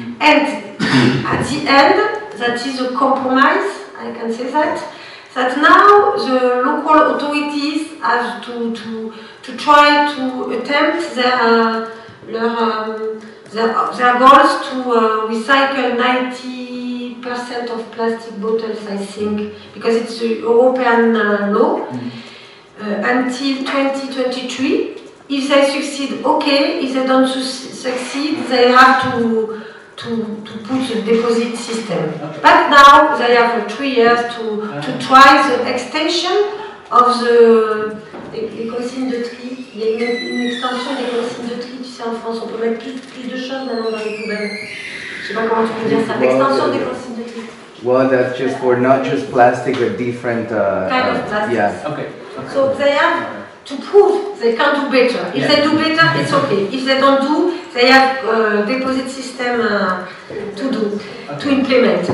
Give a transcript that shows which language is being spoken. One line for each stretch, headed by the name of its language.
English: And at the end, that is a compromise, I can say that, that now the local authorities have to try to attempt their goals to recycle 90% of plastic bottles, I think, because it's an European law, until 2023. If they succeed, okay. If they don't succeed, they have to put the deposit system. Okay. But now they have 3 years to try the extension of the consignes de tri.
French: Il y a une extension des consignes de tri, tu sais, en France, on peut mettre plus de choses maintenant dans les poubelles. Je sais pas comment tu peux dire ça. L'extension des consignes de tri.
English: Well, that's just for not just plastic, but different kind of plastics. Yeah. Okay. So they have to prove they can do better. If they do better, it's okay. If they don't do, they have a deposit system to implement.